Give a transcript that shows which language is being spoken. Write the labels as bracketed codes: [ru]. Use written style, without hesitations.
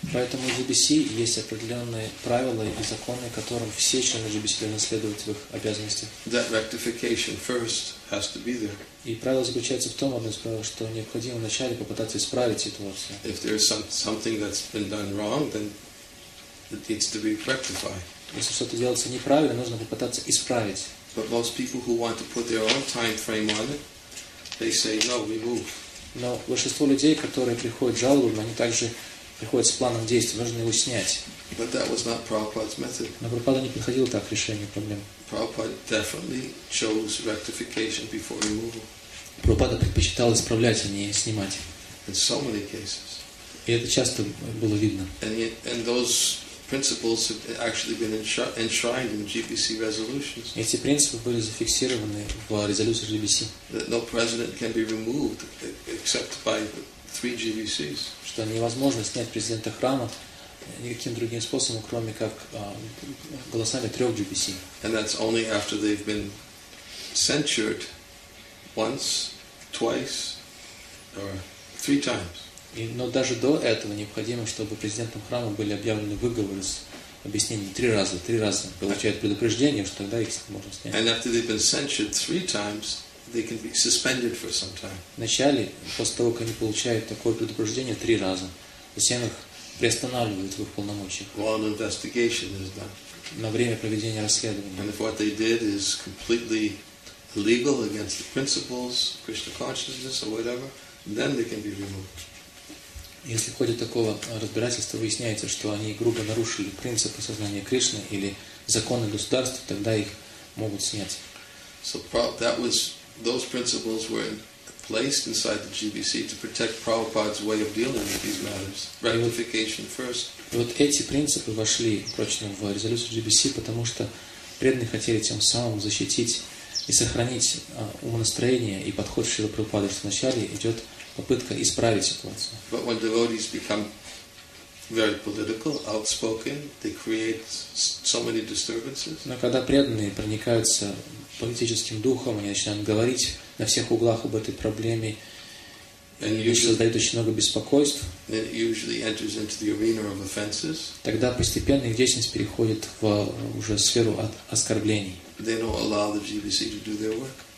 [ru] Поэтому в GBC есть определенные правила и законы, которым все члены GBC должны следовать в их обязанностях. [en] That rectification first has to be there. [ru] И правило заключается в том, одно из правил, что необходимо вначале попытаться исправить ситуацию. [en] If there is something that's been done wrong, then it needs to be rectified. [ru] Если что-то делается неправильно, нужно попытаться исправить. [en] But most people who want to put their own time frame on it, they say no, we move. [ru] Но большинство людей, которые приходят с жалобами, они также приходят с планом действий, нужно его снять. [en] But that was not Prabhupada's method. [ru] Но Прабхупада не подходил так к решению проблем. [en] Prabhupada definitely chose rectification before removal. [ru] Прабхупада предпочитал исправлять, а не снимать. [en] In so many cases. [ru] И это часто было видно. [en] And those principles have actually been enshrined in GBC resolutions. [ru] Эти принципы были зафиксированы в резолюциях GBC. [en] That no president can be removed except by three GBCs. [ru] Что невозможно снять президента храма никаким другим способом, кроме как голосами трех GBC. [en] And that's only after they've been censured once, twice, or three times. [ru] Но даже до этого необходимо, чтобы президентом храма были объявлены выговоры с объяснением три раза получают предупреждение, что тогда их можно снять. [en] And after they've been censured three times, they can be suspended for some time. [ru] Вначале, после того, как они получают такое предупреждение три раза, затем их приостанавливают в их полномочиях. [en] While an investigation is done. [ru] На время проведения расследования. [en] And if what they did is completely illegal against the principles, Krishna consciousness or whatever, then they can be removed. [ru] Если в ходе такого разбирательства выясняется, что они грубо нарушили принципы сознания Кришны или законы государства, тогда их могут снять. [en] So that was those principles were placed inside the GBC to protect Prabhupada's way of dealing with these matters. Rectification first. [ru] И вот эти принципы вошли прочно в резолюцию GBC, потому что преданные хотели тем самым защитить и сохранить умонастроение и подход Шрилы Прабхупады, что вначале идет попытка исправить ситуацию. [en] But when devotees become very political, outspoken, they create so many disturbances. [ru] Но когда преданные проникаются политическим духом, они начинают говорить на всех углах об этой проблеме, они создают очень много беспокойств. [en] It usually enters into the arena of offenses. [ru] Тогда постепенно их деятельность переходит в уже сферу оскорблений. [en] They don't allow the GBC to do their work.